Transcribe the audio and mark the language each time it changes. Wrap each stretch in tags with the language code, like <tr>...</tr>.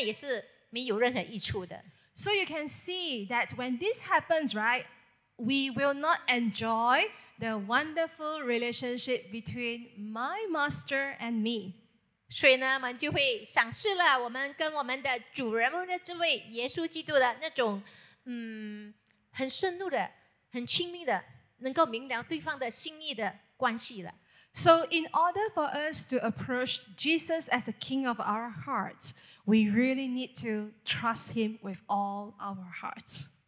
<zh>比如说我们跟耶稣之间的关系呢，就只是看到所记载在圣经里面的那一位耶稣而已。那么我跟他根本就没有更深入的那种亲密的关系呢，那么那也是没有任何益处的。</zh> <en>So you can see that when this happens, right, we will not enjoy the wonderful relationship between my master and me.</en> <zh>所以呢，我们就会丧失了我们跟我们的主人们的这位耶稣基督的那种。很深入的，很亲密的，能够明了对方的心意的关系了。</zh> <en>So in order for us to approach Jesus as the King of our hearts, we really need to trust Him with all our hearts.</en>